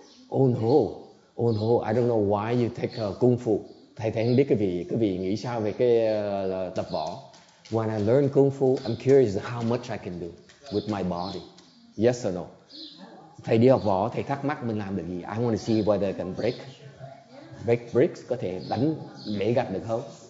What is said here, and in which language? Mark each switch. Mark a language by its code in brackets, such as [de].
[en] Oh no, I don't know why you take kung fu. [vi] Thầy không biết cái vị nghĩ sao về cái tập võ. [en] When I learn kung fu, I'm curious how much I can do with my body. Yes or no? [vi] Thầy đi học võ, thầy thắc mắc mình làm được gì. [en] I want to see whether I can break bricks, [vi] có thể đánh bể gạch được không?